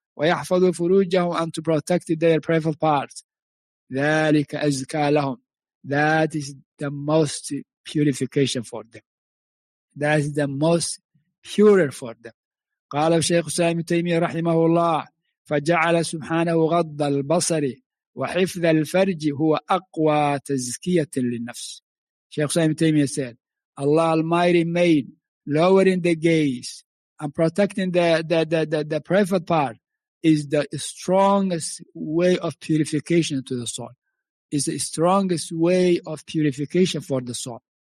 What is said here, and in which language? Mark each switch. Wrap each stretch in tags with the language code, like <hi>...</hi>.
<ar>وَيَحْفَظُوا فُرُوجَهُمْ,</ar> <en>and to protect their private parts.</en> <ar>ذَلِكَ أَزْكَى لَهُمْ.</ar> <en>That is the most purification for them. That is the most purer for them.</en> <ar>قال الشيخ سامي تيمية رحمه الله فجعل سبحانه غض البصر وحفظ الفرج هو أقوى تزكية للنفس.</ar> <en>شيخ سامي تيمية said, Allah Almighty made lowering the gaze and protecting the private part is the strongest way of purification to the soul. Is the strongest way of purification for the soul.</en>